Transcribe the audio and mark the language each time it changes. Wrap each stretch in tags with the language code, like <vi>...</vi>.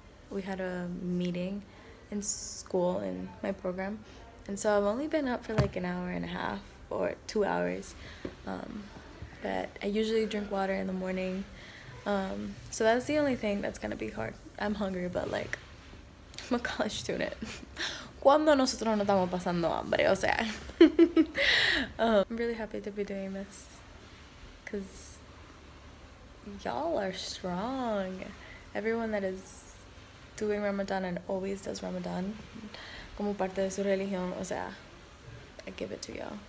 <en>We had a meeting in school in my program, and so I've only been up for like an hour and a half or 2 hours, but I usually drink water in the morning, so that's the only thing that's gonna be hard. I'm hungry, but like, I'm a college student.</en> <es>Cuando nosotros no estamos pasando hambre, o sea.</es> <en>I'm really happy to be doing this, because y'all are strong. Everyone that is doing Ramadan and always does Ramadan</en> <es>como parte de su religión, o sea,</es> <en>I give it to y'all.</en>